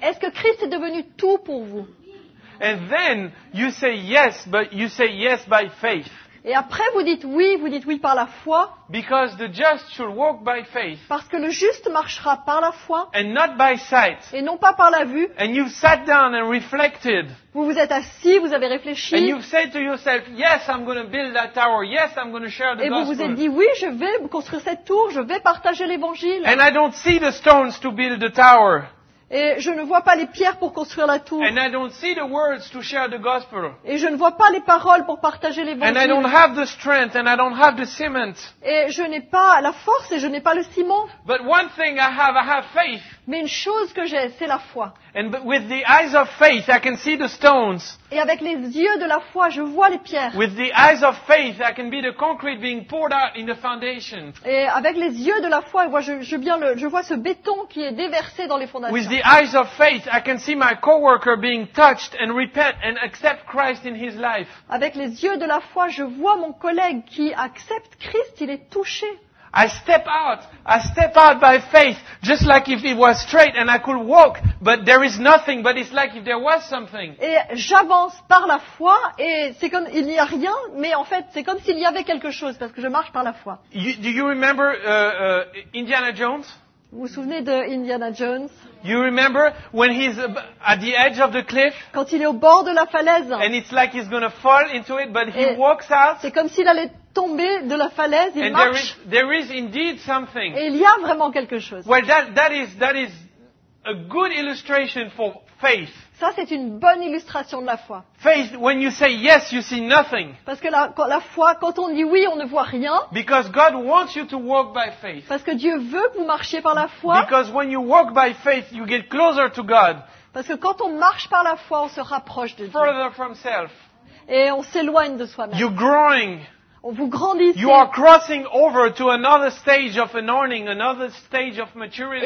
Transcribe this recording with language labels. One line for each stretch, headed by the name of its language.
French: Est-ce que Christ est devenu tout pour vous?
English: And then you say yes, but you say yes by faith.
French: Et après, vous dites oui par la foi.
English: Because the just shall walk by faith.
French: Parce que le juste marchera par la foi.
English: And not by sight.
French: Et non pas par la vue.
English: And you've sat down and reflected.
French: Vous vous êtes assis, vous avez réfléchi.
English: And you've said to yourself, yes, I'm going to build that tower. Yes, I'm going to share the gospel.
French: Et vous vous êtes dit, oui, je vais construire cette tour, je vais partager l'évangile.
English: And I don't see the stones to build the tower.
French: Et je ne vois pas les pierres pour construire la tour.
English: And I don't see the words to share the gospel.
French: Et je ne vois pas les paroles pour partager l'évangile.
English: And I don't have the strength and I don't have the cement.
French: Et je n'ai pas la force et je n'ai pas le ciment.
English: But one thing I have faith.
French: Mais une chose que j'ai, c'est la foi.
English: And with the eyes of faith, I can see the stones.
French: Et avec les yeux de la foi, je vois les pierres.
English: With the eyes of faith, I can be the concrete being poured out in the foundation.
French: Et avec les yeux de la foi, je vois ce béton qui est déversé dans les fondations.
English: With the eyes of faith, I can see my coworker being touched and repent and accept Christ in his life.
French: Avec les yeux de la foi, je vois mon collègue qui accepte Christ, il est touché.
English: I step out by faith, just like if it was straight and I could walk, but there is nothing, but it's like if there was something.
French: Et j'avance par la foi, et c'est comme il n'y a rien, mais en fait, c'est comme s'il y avait quelque chose, parce que je marche par la foi.
English: Do you remember Indiana Jones?
French: Vous vous souvenez de Indiana Jones?
English: You remember when he's at the edge of the cliff?
French: Quand il est au bord de la falaise.
English: And it's like he's gonna fall into it, but he walks out.
French: C'est comme s'il allait tomber de la falaise, il
English: and
French: marche.
English: There is indeed something.
French: Et il y a vraiment quelque chose.
English: Well, that is a good illustration for faith.
French: Ça, c'est une bonne illustration de la foi.
English: Faith, when you say yes, you see nothing.
French: Parce que la foi, quand on dit oui, on ne voit rien.
English: Because God wants you to walk by faith.
French: Parce que Dieu veut que vous marchiez par la foi.
English: Because when you walk by faith, you get closer to God.
French: Parce que quand on marche par la foi, on se rapproche de
English: further
French: Dieu.
English: Further from self.
French: Et on s'éloigne de soi-même.
English: You're growing.
French: On vous grandissez.
English: You are crossing over to another stage of anointing, another stage of maturity.